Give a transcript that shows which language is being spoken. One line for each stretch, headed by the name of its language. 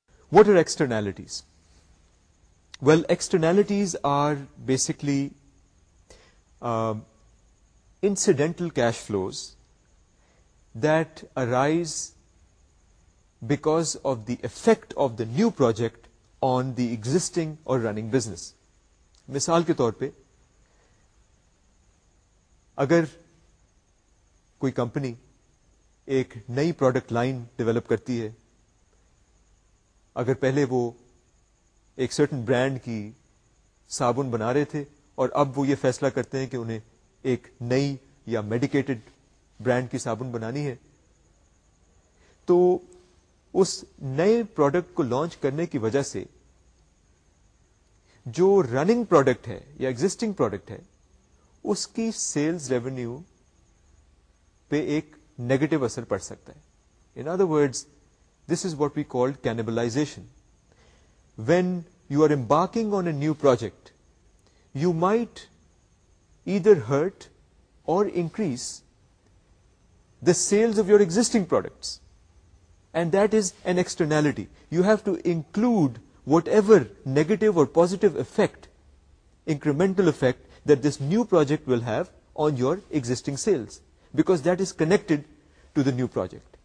English: What are externalities? Well, externalities are basically incidental cash flows that arise because of the effect of the new project on the existing or running business.
Urdu: Misal ke taur pe, agar koi company ek nayi product line develop karti hai, agar pehle wo ایک certain brand کی صابن بنا رہے تھے اور اب وہ یہ فیصلہ کرتے ہیں کہ انہیں ایک نئی یا میڈیکیٹڈ برانڈ کی صابن بنانی ہے, تو اس نئے پروڈکٹ کو لانچ کرنے کی وجہ سے جو رننگ پروڈکٹ ہے یا ایگزسٹنگ پروڈکٹ ہے اس کی سیلز ریونیو پہ ایک نیگیٹو اثر پڑ سکتا ہے.
English: In other words, this is what we call cannibalisation. When you are embarking on a new project, you might either hurt or increase the sales of your existing products. And that is an externality. You have to include whatever negative or positive effect, incremental effect, that this new project will have on your existing sales, because that is connected to the new project.